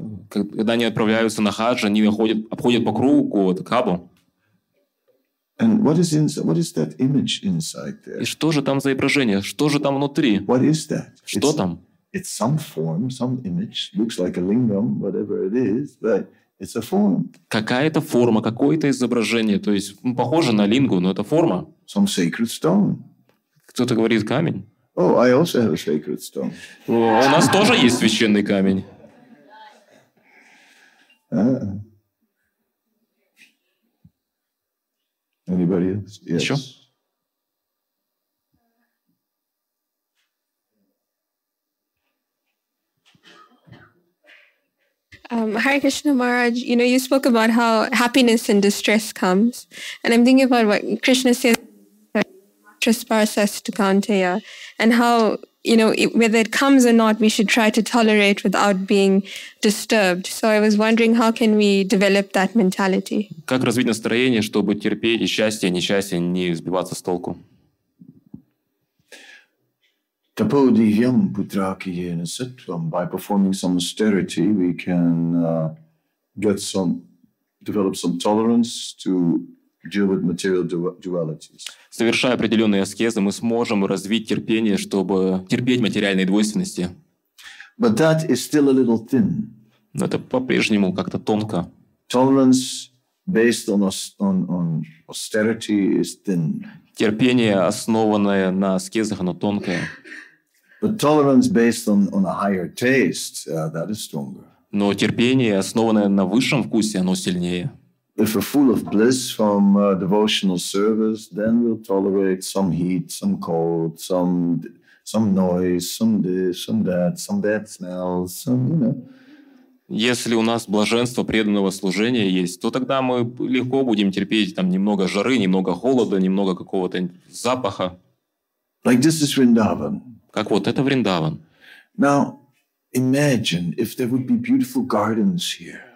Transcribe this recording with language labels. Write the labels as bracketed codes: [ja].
[ru] Когда они отправляются на хадж, они обходят по кругу Каабу. [en] And what is that image inside there? [ru] И что же там за изображение? Что же там внутри? [en] What is that? [ru] Что там? [en] It's some form, some image. Looks like a lingam, whatever it is, but it's a form. [ru] Какая-то форма, какое-то изображение. То есть похоже на лингу, но это форма. [en] Some sacred stone. [ru] Кто-то говорит камень. [en] Oh, I also have a sacred stone. [ru] У нас тоже есть священный камень. [en] Anybody else? Yes. [ru] Еще? [en] Hare Krishna Maharaj, you know, you spoke about how happiness and distress comes, and I'm thinking about what Krishna says. [sa] Trisparsas to Kaunteya, [en] and how, you know, whether it comes or not, we should try to tolerate without being disturbed. So I was wondering, how can we develop that mentality? [ru] Как развить настроение, чтобы терпеть и счастье, и несчастье, не сбиваться с толку? [sa] Tapo divyam putrakiyena sattvam. [en] By performing some austerity, we can develop some tolerance to deal with material dualities. [ru] Совершая определенные аскезы, мы сможем развить терпение, чтобы терпеть материальные двойственности. [en] But that is still a little thin. [ru] Но это по-прежнему как-то тонко. [en] Tolerance based on austerity is thin. [ru] Терпение, основанное на аскезах, оно тонкое. [en] But tolerance based on a higher taste, that is stronger. [ru] Но терпение, основанное на высшем вкусе, оно сильнее. [en] If we're full of bliss from devotional service, then we'll tolerate some heat, some cold, some noise, some this, some that, some bad smells, some, you know. [ru] Если у нас блаженство преданного служения есть, то тогда мы легко будем терпеть там немного жары, немного холода, немного какого-то запаха. [en] Like this is Vrindavan. [ru] Как вот это Вриндаван. [en] Now, imagine if there would be beautiful gardens here.